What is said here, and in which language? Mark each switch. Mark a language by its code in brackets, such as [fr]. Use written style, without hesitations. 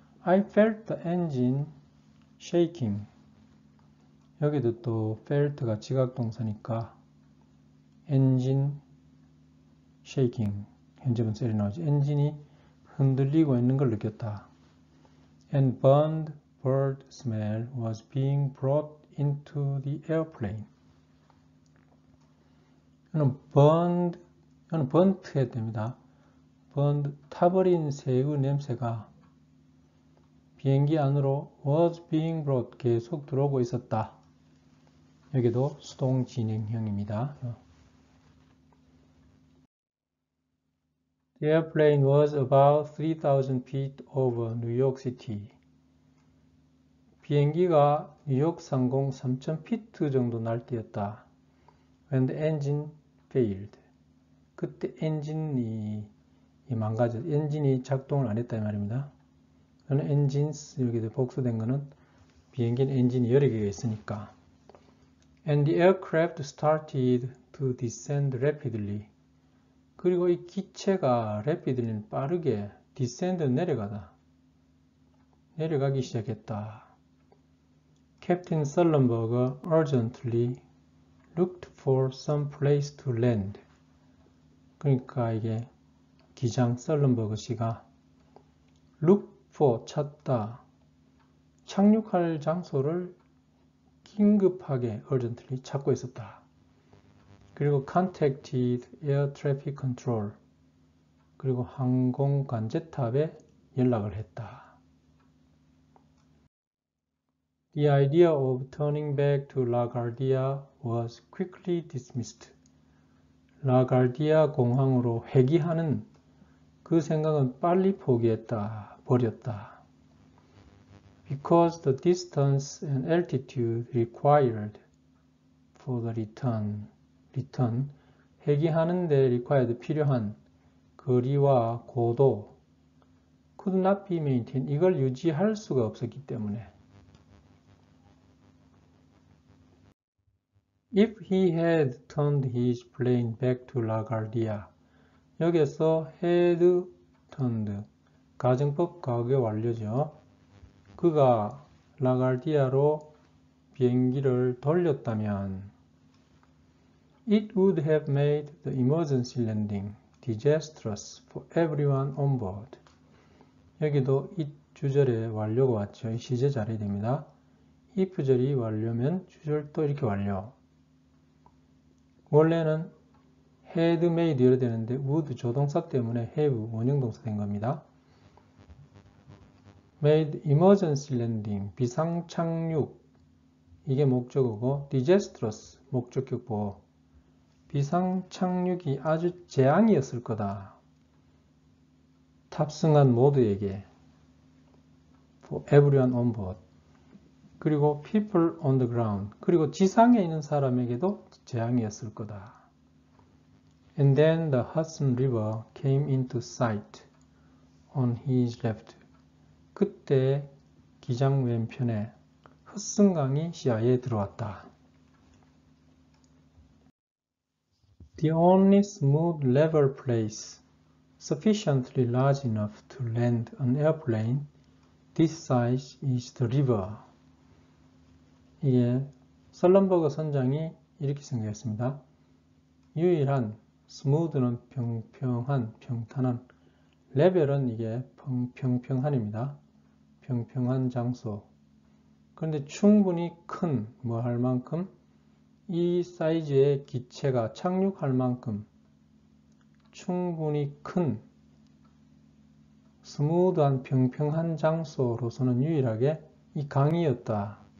[en] I felt the engine shaking. [ko] 여기도 또 felt가 지각동사니까 engine shaking. 현재분사 나오죠. 엔진이 흔들리고 있는 걸 느꼈다. [en] And burned bird smell was being brought into the airplane. [ko] 이건 burned, 이건 burnt에 됩니다. burned, 타버린 새우 냄새가 비행기 안으로 [en] was being brought [ko] 계속 들어오고 있었다. 여기도 수동 진행형입니다. [en] The airplane was about 3,000 feet over New York City. [ko] 비행기가 뉴욕 상공 3,000 피트 정도 날 때였다. [en] When the engine failed. [ko] 그때 엔진이 망가졌, 엔진이 작동을 안 했다 이 말입니다. 그는 엔진스, 여기도 복수된 것은 비행기는 엔진이 여러 개가 있으니까. [en] And the aircraft started to descend rapidly. [ko] 그리고 이 기체가 rapidly 빠르게 descend 내려가다. 내려가기 시작했다. [en] Captain Sullenberger urgently looked for some place to land. [ko] 그러니까 이게 기장 썰렌버거 씨가 look for 찾다. 착륙할 장소를 긴급하게 urgently 찾고 있었다. 그리고 [en] contacted air traffic control. [ko] 그리고 항공 관제탑에 연락을 했다. [en] The idea of turning back to LaGuardia was quickly dismissed. [ko] 라가르디아 공항으로 회귀하는 그 생각은 빨리 포기했다, 버렸다. [en] Because the distance and altitude required for the return. [ko] return, 회귀하는 데 required 필요한 거리와 고도 [en] could not be maintained. [ko] 이걸 유지할 수가 없었기 때문에. [en] If he had turned his plane back to LaGuardia. [ko] 여기서 had turned. 가정법 과거 완료죠. 그가 LaGuardia로 비행기를 돌렸다면 [en] It would have made the emergency landing disastrous for everyone on board. [ko] 여기도 it 주절의 완료가 왔죠. 시제 자리에 됩니다. if 주절이 완료면 주절도 이렇게 완료. 원래는 had made여야 되는데 would 조동사 때문에 have 원형동사 된 겁니다. made emergency landing 비상 착륙 이게 목적어고 disastrous 목적격보 비상 착륙이 아주 재앙이었을 거다. 탑승한 모두에게. [en] For everyone on board. [ko] 그리고 [en] people on the ground. [ko] 그리고 지상에 있는 사람에게도 재앙이었을 거다. [en] And then the Hudson River came into sight on his left. [ko] 그때 기장 왼편에 허슨강이 시야에 들어왔다. [en] The only smooth level place. sufficiently large enough to land an airplane this size is the river. [ko] 이게 설렌버그 선장이 이렇게 생각했습니다. 유일한 스무드는 평평한 평탄한 레벨은 이게 평평한입니다. 평평한 장소. 그런데 충분히 큰 뭐 할 만큼 이 사이즈의 기체가 착륙할 만큼 충분히 큰 스무드한 평평한 장소로서는 유일하게 이 강이었다.